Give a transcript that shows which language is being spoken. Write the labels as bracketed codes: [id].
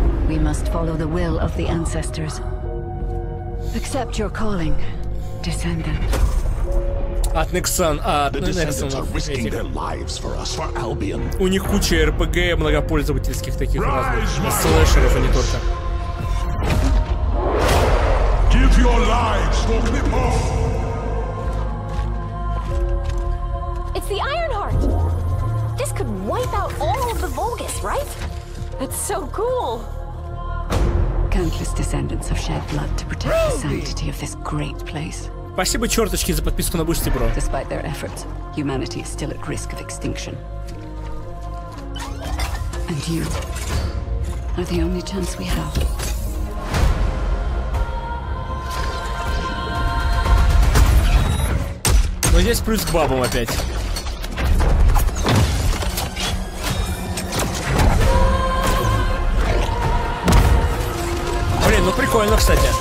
[en] We must follow the will of the ancestors. Accept your calling, descendant. [ru] От Nexon, у них куча RPG многопользовательских таких разных слэшеров, а не только. [en] Give your lives for Knippo. It's the Ironheart. This could wipe out all of the Volgus, right? That's so cool! Countless descendants have shed blood to protect the sanctity of this great place. [ru] Спасибо, черточки, за подписку на Boosty, бро. [en] Despite their efforts, humanity is still at risk of extinction. And you are the only chance we have. [ru] Но здесь плюс к бабам опять. Блин, ну прикольно, кстати.